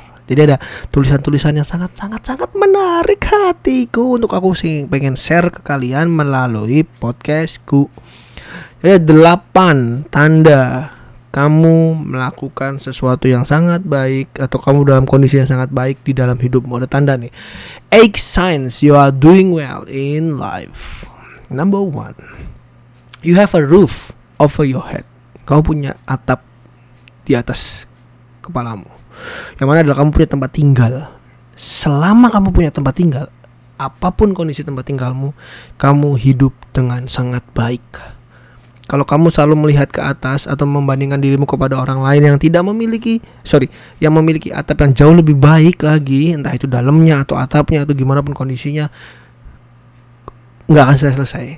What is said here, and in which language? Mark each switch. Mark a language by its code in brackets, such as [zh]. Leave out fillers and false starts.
[id] Jadi ada tulisan-tulisan yang sangat menarik hatiku untuk aku pengen share ke kalian melalui podcastku. Ada 8 tanda kamu melakukan sesuatu yang sangat baik, atau kamu dalam kondisi yang sangat baik di dalam hidupmu. Ada tanda nih, [en] 8 signs you are doing well in life. Number 1, you have a roof over your head. [id] Kamu punya atap di atas kepalamu, yang mana adalah kamu punya tempat tinggal. Selama kamu punya tempat tinggal, apapun kondisi tempat tinggalmu, kamu hidup dengan sangat baik. Kalau kamu selalu melihat ke atas atau membandingkan dirimu kepada orang lain yang tidak memiliki, yang memiliki atap yang jauh lebih baik lagi, entah itu dalamnya atau atapnya atau gimana pun kondisinya, gak akan selesai-selesai.